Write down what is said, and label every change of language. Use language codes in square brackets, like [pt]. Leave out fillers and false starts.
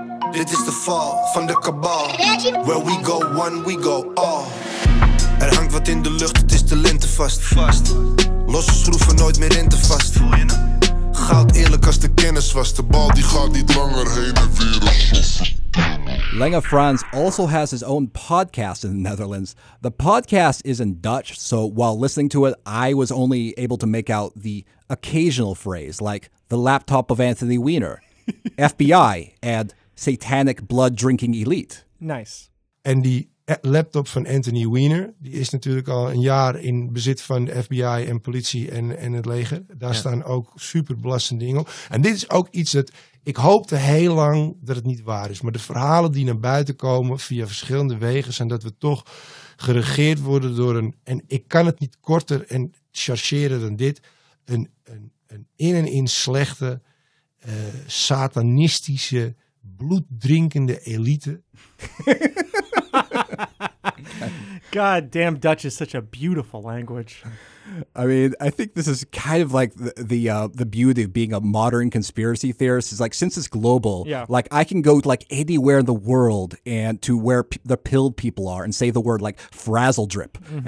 [nl] Dit is de val van de kabal. [en] Where we go one, we go all. [nl] Er hangt wat in de lucht, het is de lente vast. Losse schroeven, nooit meer rente vast. Goud eerlijk als de kennis was. De bal die gaat niet langer heen en weer. [en] Lange Frans also has his own podcast in the Netherlands. The podcast is in Dutch, so while listening to it, I was only able to make out the occasional phrase, like the laptop of Anthony Weiner, FBI, and satanic blood-drinking elite. Nice. [nl] En die laptop van Anthony Weiner, die is natuurlijk al een jaar in bezit van de FBI en politie en het leger. Daar staan ook superbelastende dingen op. En dit is ook iets dat, ik hoopte heel lang dat het niet waar is. Maar de verhalen die naar buiten komen via verschillende wegen zijn dat we toch geregeerd worden door een, en ik kan het niet korter en chargeren dan dit, een in en in slechte, satanistische, bloeddrinkende elite. [en] God damn, Dutch is such a beautiful language. I mean, I think this is kind of like the beauty of being a modern conspiracy theorist. Is like, since it's global, like I can go like anywhere in the world and to where the pilled people are and say the word like frazzle drip, mm-hmm.